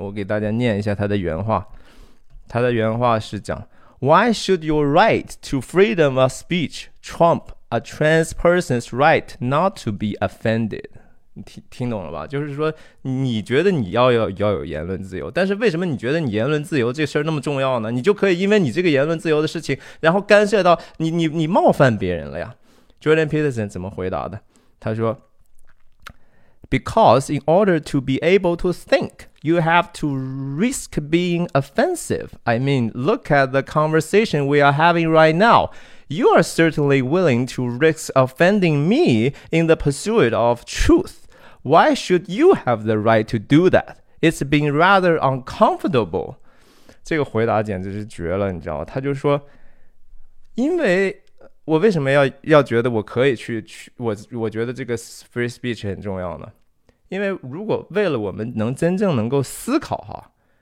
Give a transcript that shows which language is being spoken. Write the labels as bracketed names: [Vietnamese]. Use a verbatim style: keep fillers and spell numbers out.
[Chinese] 我给大家念一下他的原话，他的原话是讲 ： [English] Why should your right to freedom of speech trump a trans person's right not to be offended？ [Chinese] 你听听懂了吧？就是说，你觉得你要要要有言论自由，但是为什么你觉得你言论自由这事儿那么重要呢？你就可以因为你这个言论自由的事情，然后干涉到你你你冒犯别人了呀 ？Jordan Peterson 怎么回答的？他说 [English] ：Because in order to be able to think, you have to risk being offensive. I mean, look at the conversation we are having right now. You are certainly willing to risk offending me in the pursuit of truth. Why should you have the right to do that? It's been rather uncomfortable. [Chinese] 这个回答简直是绝了，你知道吗？他就说，因为我为什么要要觉得我可以去去我我觉得这个 free speech 很重要呢？因为如果为了我们能真正能够思考哈。